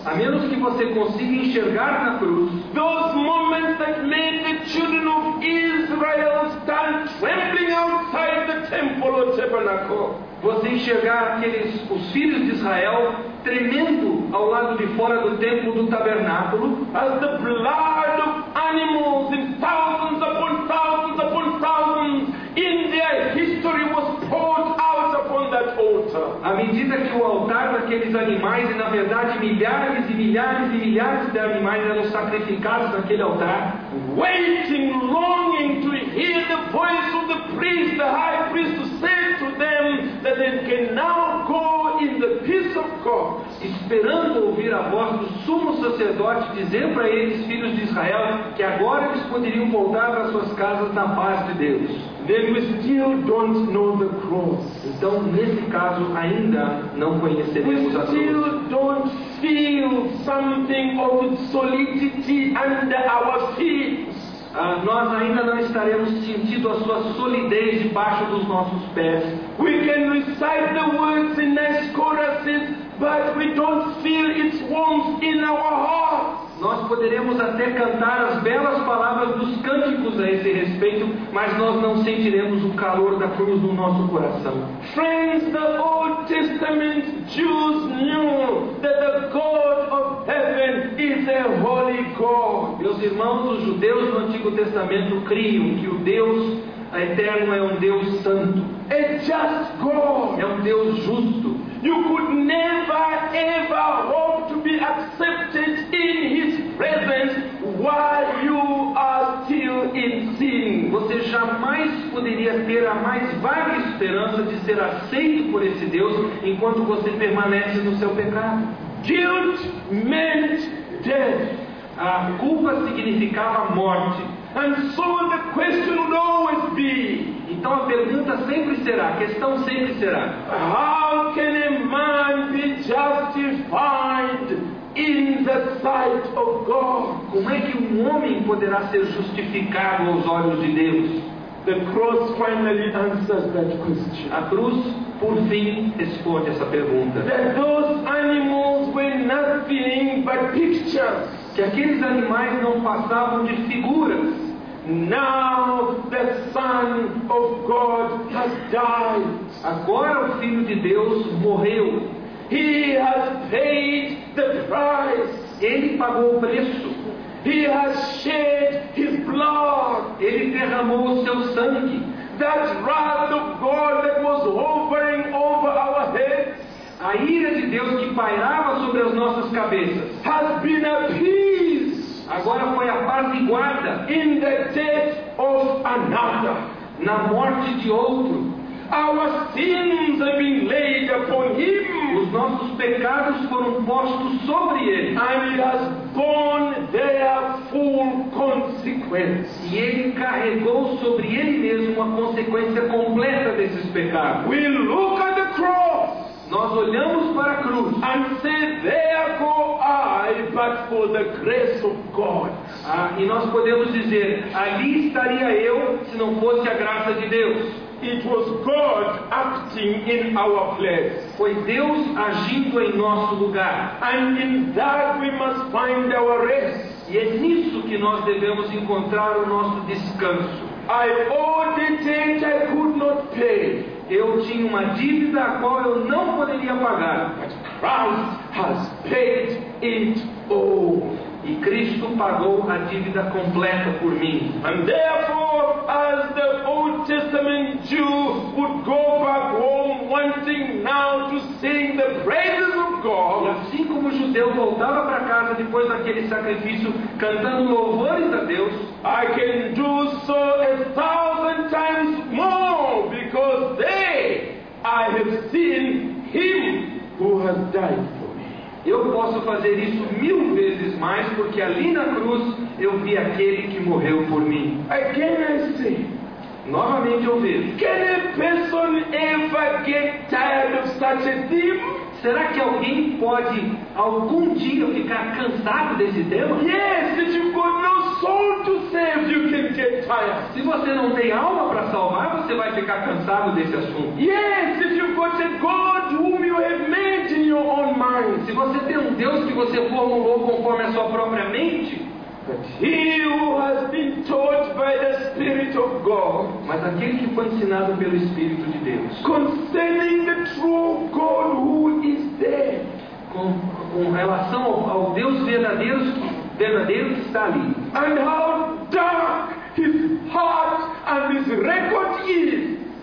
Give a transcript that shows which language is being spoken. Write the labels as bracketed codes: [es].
[pt] a menos que você consiga enxergar na cruz, [en] those moments that made the children of Israel stand trembling outside the temple or tabernacle. [pt] Você enxergar aqueles, os filhos de Israel tremendo ao lado de fora do templo do tabernáculo, [en] as the blood of animals in thousands upon thousands upon thousands in their history was poured out upon that altar. [pt] À medida que o altar daqueles animais, e na verdade milhares e milhares e milhares de animais eram sacrificados naquele altar, [en] waiting, longing to hear the voice of the priest, the high priest, to say to them that they can now go in the peace of God. [pt] Esperando ouvir a voz do sumo sacerdote dizer para eles, filhos de Israel, que agora eles poderiam voltar para suas casas na paz de Deus. [en] Then we still don't know the cross. [pt] Então, nesse caso, ainda não conheceremos a cruz. [en] We still don't feel something of its solidity under our feet. [pt] Nós ainda não estaremos sentindo a sua solidez debaixo dos nossos pés. [en] We can recite the words in nice choruses, but we don't feel its warmth in our hearts. [pt] Nós poderemos até cantar as belas palavras dos cânticos a esse respeito, mas nós não sentiremos o calor da cruz no nosso coração. [en] Friends, the Old Testament Jews knew that the God of heaven is a holy God. [pt] Meus irmãos, os judeus do Antigo Testamento criam que o Deus eterno é um Deus santo. [en] A just God. [pt] É um Deus justo. [en] You could never ever hope to be accepted in his presence while you are still in sin. [pt] Você jamais poderia ter a mais vaga esperança de ser aceito por esse Deus enquanto você permanece no seu pecado. [en] Guilt meant death. [pt] A culpa significava morte. [en] And so the question would always be. [pt] Então a pergunta sempre será, a questão sempre será. [en] How can a man be justified in the sight of God? [pt] Como é que um homem poderá ser justificado aos olhos de Deus? [en] The cross finally answers that question. [pt] A cruz, por fim, responde essa pergunta. [en] That those animals were nothing but pictures. [pt] Que aqueles animais não passavam de figuras. [en] Now the Son of God has died. [pt] Agora o Filho de Deus morreu. [en] He has paid the price. [pt] Ele pagou o preço. [en] He has shed his blood. [pt] Ele derramou o seu sangue. [en] That wrath of God that was hovering over our heads. [pt] A ira de Deus que pairava sobre as nossas cabeças. [en] Has been appeased. [pt] Agora foi apaziguada. [en] In the death of another. [pt] Na morte de outro. [en] Our sins have been laid upon him. [pt] Os nossos pecados foram postos sobre ele. [en] And he has borne their full consequence. [pt] E ele carregou sobre ele mesmo a consequência completa desses pecados. [en] We look at the cross. [pt] Nós olhamos para a cruz. [en] And say, there go I, but for the grace of God. [pt] E nós podemos dizer, ali estaria eu se não fosse a graça de Deus. [en] It was God acting in our place. [pt] Foi Deus agindo em nosso lugar. [en] And in that we must find our rest. [pt] E é nisso que nós devemos encontrar o nosso descanso. [en] I owed a debt I could not pay. [pt] Eu tinha uma dívida a qual eu não poderia pagar. [en] But Christ has paid it all. [pt] E Cristo pagou a dívida completa por mim. [en] And therefore, as the Old Testament Jew would go back home wanting now to sing the praises of God. [pt] E assim como o judeu voltava para casa depois daquele sacrifício cantando louvores a Deus, [en] I can do so a thousand times more because they I have seen him who has died. [pt] Eu posso fazer isso mil vezes mais, porque ali na cruz eu vi aquele que morreu por mim. [en] Again I say. [pt] Novamente eu vejo. [en] Can a person ever get tired of such a theme? [pt] Será que alguém pode algum dia ficar cansado desse tema? [en] Yes, if you've got no soul to save, you can get tired. [pt] Se você não tem alma para salvar, você vai ficar cansado desse assunto. [en] Yes, if you've got a God whom you have made in your own mind. [pt] Se você tem um Deus que você formulou conforme a sua própria mente. [en] But he who has been taught by the Spirit of God. [pt] Mas aquele que foi ensinado pelo Espírito de Deus. [en] Concerning the true God who is dead. [pt] Com relação ao Deus verdadeiro que está ali. [en] And how dark his heart and his record is.